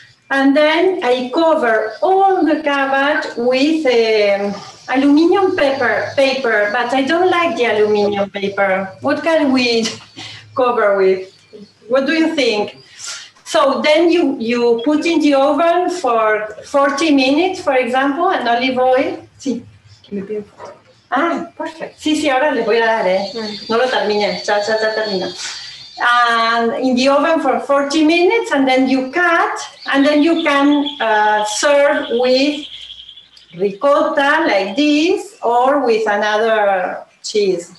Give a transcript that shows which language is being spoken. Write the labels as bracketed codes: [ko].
[en] And then I cover all the cabbage with aluminium paper, but I don't like the aluminium paper. What can we cover with? What do you think? So then you put in the oven for 40 minutes, for example, and olive oil. [es] Sí. Ah, [en] perfect. [es] Sí, ahora le voy a dar, No lo termine. Ya termino. [en] And in the oven for 40 minutes, and then you cut, and then you can serve with ricotta like this, or with another cheese.